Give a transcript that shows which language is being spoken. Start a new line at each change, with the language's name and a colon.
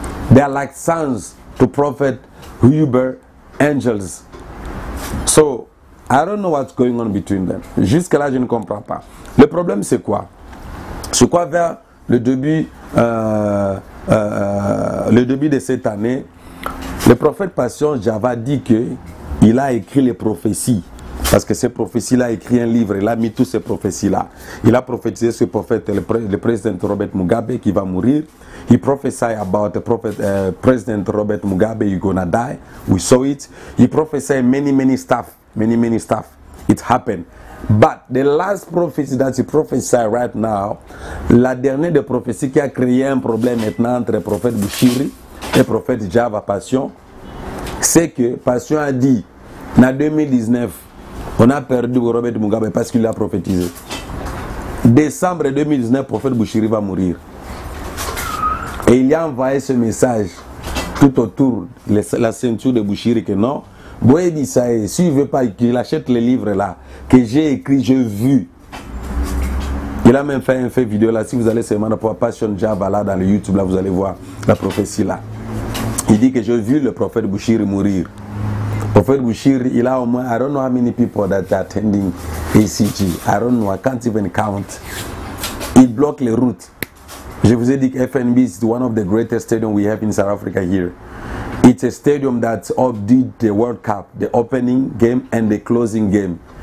English: They are like sons to prophet Hubert Angels. So, I don't know what's going on between them.
French: Jusque là, je ne comprends pas. Le problème, c'est quoi? C'est quoi vers le début de cette année, le prophète Passion Djaba dit qu'il a écrit les prophéties. Parce que ces prophéties-là, il a écrit un livre, il a mis toutes ces prophéties-là. Il a prophétisé ce prophète, le président Robert Mugabe, qui va mourir.
English: He prophesied about the prophet, President Robert Mugabe, you're gonna die. We saw it. He prophesied many, many stuff. It happened. But the last prophecy that he prophesied right now,
French: la dernière des prophéties qui a créé un problème maintenant entre le prophète Bouchiri et le prophète Djaba Passion, c'est que Passion a dit, en 2019, on a perdu Robert Mugabe parce qu'il a prophétisé. Décembre 2019, le prophète Bouchiri va mourir. Et il a envoyé ce message tout autour de la ceinture de Bouchiri que non. Boye dit ça, s'il ne veut pas qu'il achète les livres là, que j'ai écrit, j'ai vu. Il a même fait un fait vidéo là. Si vous allez seulement dans la Passion Java là dans le YouTube, là vous allez voir la prophétie là. Il dit que j'ai vu le prophète Bouchir mourir.
English: Prophète Bouchir,
French: il a au moins,
English: I don't know how many people that are attending ACG. I don't know, I can't even count.
French: Il bloque les routes. Je vous ai dit que
English: FNB is one of the greatest stadiums we have in South Africa here. It's a stadium that updated the World Cup, the opening game and the closing game.